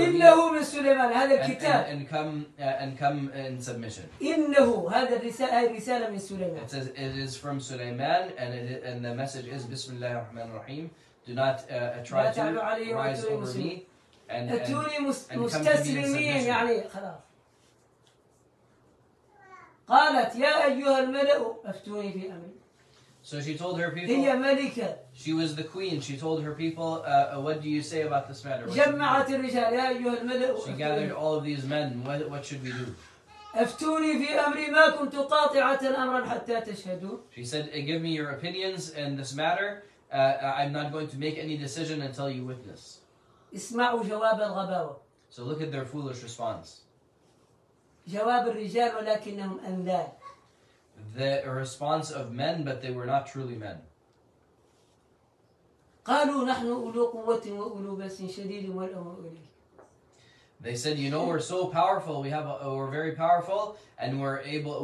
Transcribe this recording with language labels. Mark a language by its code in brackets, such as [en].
[ar] إنه من سليمان هذا الكتاب. [en] And come in submission. [ar] إنه هذا الرسالة من سليمان. [en] It says it is from Sulaiman and the message is [ar] بسم الله الرحمن الرحيم. [en] Do not try to rise over me. [ar] أتوني مستسلمين يعني خلاص. قالت يا أيها الملأ أفتوني في أمري. [en] So she told her people. [ar] هي ملكة. [en] She was the queen. She told her people, what do you say about this matter? [ar] جمعت الرجال يا أيها الملأ. [en] She gathered all of these men. What should we do? [ar] أفتوني في أمري ما كنت قاطعة أمرا حتى تشهدوا. [en] She said, give me your opinions in this matter. I'm not going to make any decision until you witness. [ar] اسمعوا جواب الغباوة. [en] So look at their foolish response. [ar] جواب الرجال ولكنهم أنذار. [en] The response of men, but they were not truly men. [ar] قالوا نحن أولو قوة وأولو بأس شديد والأمر إليك. [en] They said, you know, we're so powerful. We have a, we're very powerful, and we're able.